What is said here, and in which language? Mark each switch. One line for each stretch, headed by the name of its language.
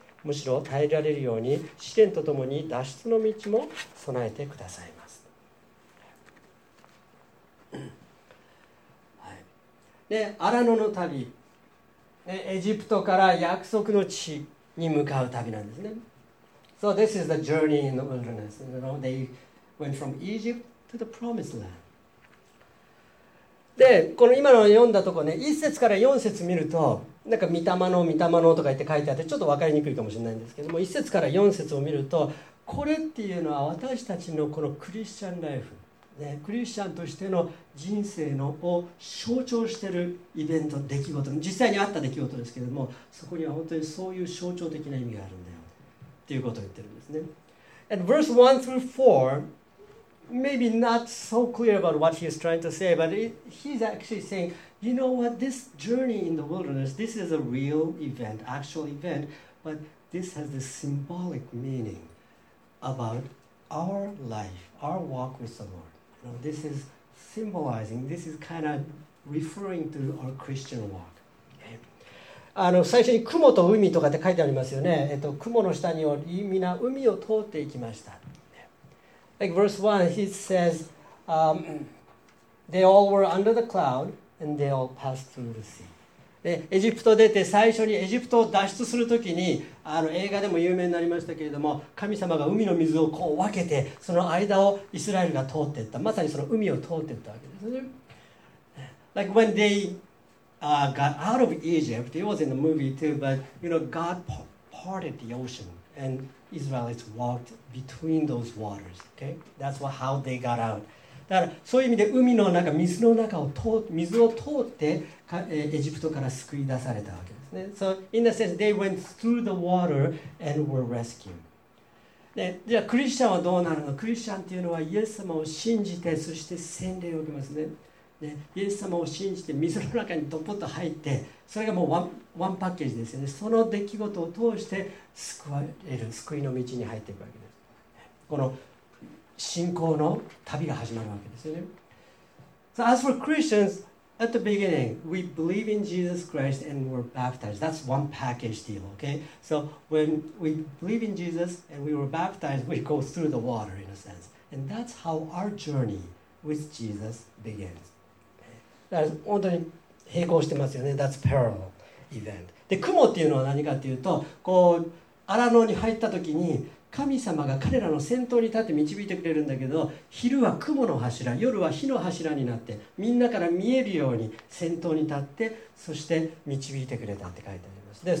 Japanese: むしろ耐えられるように試練とともに脱出の道も備えてくださいます。はい、で、アラノの旅、エジプトから約束の地に向かう旅なんですね。
English: So this is the journey in the wilderness. You know, they went from Egypt. To the promised land.
Japanese: で、この今の読んだとこね、1節から4節見るとなんか御霊のとか言って書いてあって、ちょっと分かりにくいかもしれないんですけども、1節から4節を見るとこれっていうのは私たちのこのクリスチャンライフ、ね、クリスチャンとしての人生のを象徴しているイベント、出来事、実際にあった出来事ですけども、そこには本当にそういう象徴的な意味があるんだよっていうことを言ってるんですね。
English: And verse 1 through 4Maybe not so clear about what he is trying to say, but he's actually saying, you know what, this journey in the wilderness, this is a real event, actual event, but this has this symbolic meaning about our life, our walk with the Lord. You know, this is symbolizing, this is kind of referring to our Christian walk. Okay.
Japanese: 最初に雲と海とかって書いてありますよね。雲の下により皆海を通っていきました。
English: Like verse 1, he says, they all were under the cloud, and they all passed through the sea.
Japanese: で、エジプト出て最初にエジプトを脱出するときに、映画でも有名になりましたけれども、神様が海の水をこう分けて、その間をイスラエルが通っていった。まさにその海を通っていったわけですね。
English: Like when they got out of Egypt, it was in the movie too, but you know, God parted the ocean, andIsraelites walked between those waters. Okay, that's what how they got out.
Japanese: だからそういう意味で海の中、水の中を通、水を通ってエジプトから救い出されたわけですね。
English: So in a sense, they went through the water and were rescued.
Japanese: で、じゃあクリスチャンはどうなるの？クリスチャンっていうのはイエス様を信じて、そして洗礼を受けますね。で、イエス様を信じて水の中にドポッと入って、それがもうワンパッケージですよね。その出来事を通して救われる、救いの道に入っていくわけです。この信仰の旅が始まるわけですよね。
English: So as for Christians, At the beginning, we believe in Jesus Christ and were baptized. That's one package deal, okay? So when we believe in Jesus and we were baptized, we go through the water in a sense. And that's how our journey with Jesus begins. That's
Japanese: 本当に並行してますよね。
English: That's parallel event.
Japanese: で、雲っていうのは何かっていうと、こう、荒野に入った時に神様が彼らの先頭に立って導いてくれるんだけど、昼は雲の柱、夜は火の柱になって、みんなから見えるように先頭に立って、そして導いてくれたって書いてあります。